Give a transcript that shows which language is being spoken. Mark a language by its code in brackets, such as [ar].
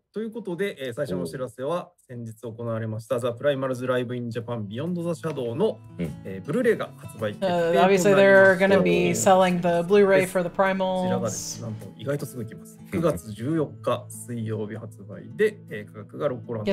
[ja] ということで、最初のお知らせは先日行われましたザ・プライマルズ・ライブ・イン・ジャパン・ビヨンド・ザ・シャドウの、うん、ブルーレイが発売決定となりました。 [en] Obviously they're gonna be selling the Blu-ray for the Primals. [ja] こちらがですね、なんと意外とすぐ来ます。9月14日水曜日発売で、価格が6ポランド。